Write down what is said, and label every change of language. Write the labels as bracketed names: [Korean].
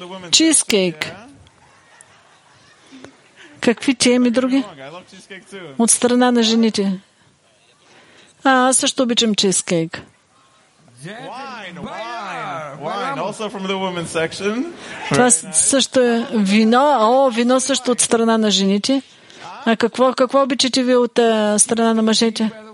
[Bulgarian] Чизкейк. Какви теми други? От страна на жените. А, аз също обичам чизкейк. [English] Wine, also from the women's section. [Bulgarian] Това също е вино. О, вино също от страна на жените. А какво обичате ви от страна на мъжете?